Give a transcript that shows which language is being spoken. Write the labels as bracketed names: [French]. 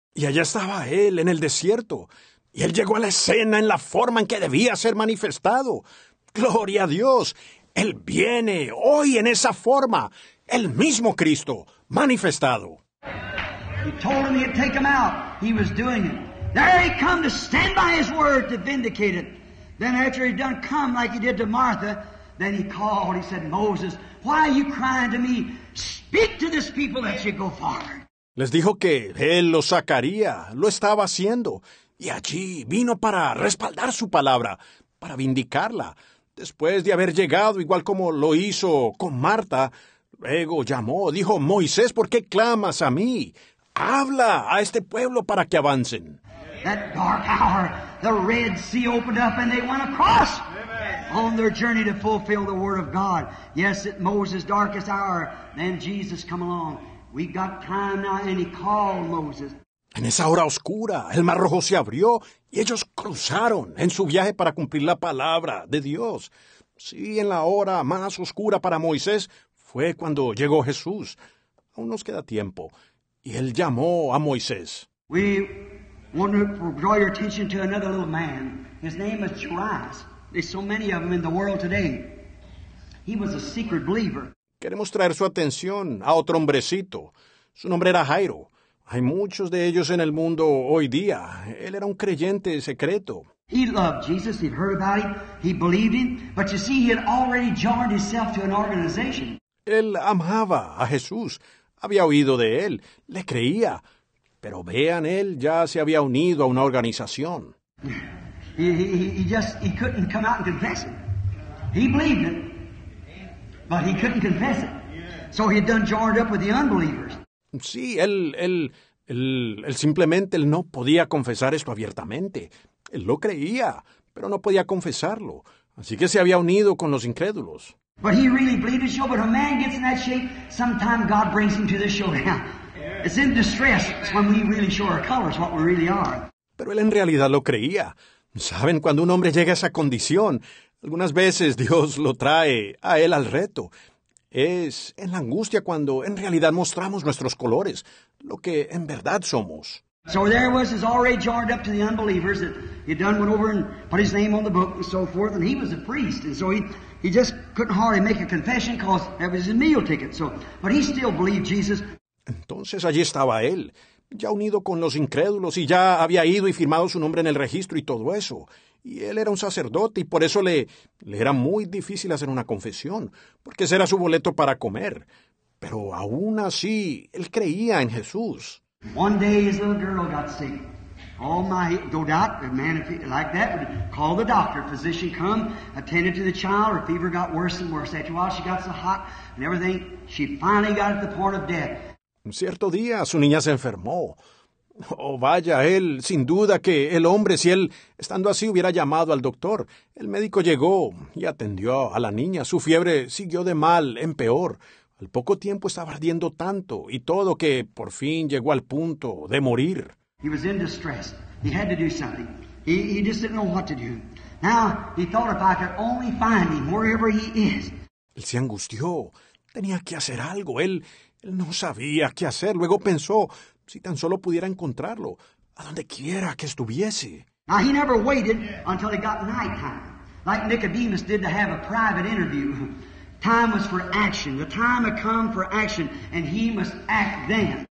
[Spanish] Y allá estaba él en el desierto. Y él llegó a la escena en la forma en que debía ser manifestado. ¡Gloria a Dios! Él viene hoy en esa forma. El mismo Cristo manifestado. [English] He told him he'd take him out. He was doing it. There he come to stand by his word to vindicate it. Then after he'd done come like he did to Martha, then he called. He said, Moses, why are you crying to me? Speak to this people that you go far. [Spanish] Les dijo que él lo sacaría, lo estaba haciendo, y allí vino para respaldar su palabra, para vindicarla. Después de haber llegado, igual como lo hizo con Marta, luego llamó, dijo, Moisés, ¿por qué clamas a mí? Habla a este pueblo para que avancen. [English] That dark hour, the Red Sea opened up and they went across. On their journey to fulfill the word of God. Yes, at Moses' darkest hour, then Jesus come along. We got time now, and he called Moses. [Spanish] En esa hora oscura, el Mar Rojo se abrió y ellos cruzaron en su viaje para cumplir la palabra de Dios. Sí, en la hora más oscura para Moisés fue cuando llegó Jesús. Aún nos queda tiempo. Y él llamó a Moisés. [English] We want to draw your attention to another little man. His name is Jairus. There's so many of them in the world today. He was a secret believer. [Spanish] Queremos traer su atención a otro hombrecito. Su nombre era Jairo. Hay muchos de ellos en el mundo hoy día. Él era un creyente secreto. [English] He loved Jesus. He'd heard about him. He believed him. But you see, he had already joined himself to an organization. [Spanish] Él amaba a Jesús. Había oído de él. Le creía. Pero vean, él ya se había unido a una organización. [English] He couldn't come out and confess it. He believed it. But he couldn't confess it. So he had done joined up with the unbelievers. [Spanish] Sí, él simplemente él no podía confesar esto abiertamente. Él lo creía, pero no podía confesarlo. Así que se había unido con los incrédulos. [English] But he really believed it, but a man gets in that shape, sometime God brings him to this showdown. It's in distress. It's when we really show our colors what we really are. [Spanish] Pero él en realidad lo creía. ¿Saben? Cuando un hombre llega a esa condición, algunas veces Dios lo trae a él al reto. Es en la angustia cuando en realidad mostramos nuestros colores, lo que en verdad somos. [English] So there was, he's already joined up to the unbelievers, that he'd done went over and put his name on the book and so forth, and he was a priest, and so he just couldn't hardly make a confession because that was his meal ticket, so, but he still believed Jesus. [Spanish] Entonces allí estaba él, ya unido con los incrédulos, y ya había ido y firmado su nombre en el registro y todo eso. Y él era un sacerdote, y por eso le era muy difícil hacer una confesión, porque ese era su boleto para comer. Pero aún así, él creía en Jesús. [English] One day his little girl got sick. Oh my, no doubt, a man like that would call the doctor. Physician come, attended to the child, her fever got worse and worse. After a while, she got so hot and everything, she finally got at the point of death. [Spanish] Un cierto día, su niña se enfermó. Oh, vaya, él, sin duda que el hombre, si él, estando así, hubiera llamado al doctor. El médico llegó y atendió a la niña. Su fiebre siguió de mal en peor. Al poco tiempo estaba ardiendo tanto y todo que por fin llegó al punto de morir. [English] He was in distress. He had to do something. He just didn't know what to do. Now, he thought if I could only find him, wherever he is. [Spanish] Él se angustió. Tenía que hacer algo. Él no sabía qué hacer. Luego pensó, si tan solo pudiera encontrarlo, a donde quiera que estuviese. [English] Now, he never waited until it got nighttime, like Nicodemus did to have a private interview. Time was for action. The time had come for action, and he must act then.